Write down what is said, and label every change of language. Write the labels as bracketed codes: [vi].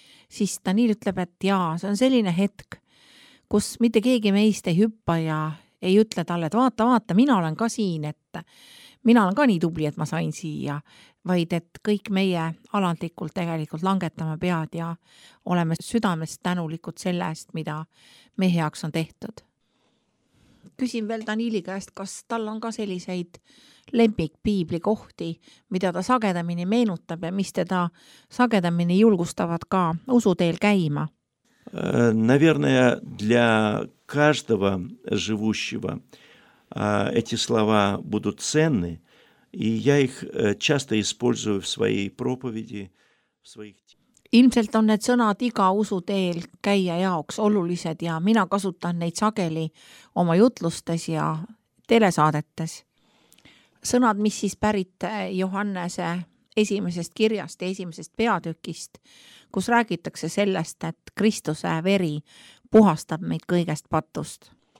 [et] siis ta nii ütleb, et jaa, see on selline hetk, kus mitte keegi meist ei hüppa ja ei ütle talle, et vaata, vaata, mina olen ka siin, et mina olen ka nii tubli, et ma sain siia, vaid et kõik meie alandlikult tegelikult langetame pead ja oleme südamest tänulikud sellest, mida meie heaks on tehtud. Küsin veel Danieli käest, kas tal on ka selliseid lemmik piibli kohti, mida ta sagedamini meenutab ja mis teda sagedamini julgustavad ka usuteel käima? [ru] Наверное, для каждого живущего эти слова будут ценны, и я их часто использую в своей проповеди, в своих... [et] Ilmselt on need sõnad iga usu teel käia jaoks olulised ja mina kasutan neid sageli oma jutlustes ja telesaadetes. Sõnad, mis siis pärit Johannese esimesest kirjast ja esimesest peatükist, kus räägitakse sellest, et Kristuse veri puhastab meid kõigest patust.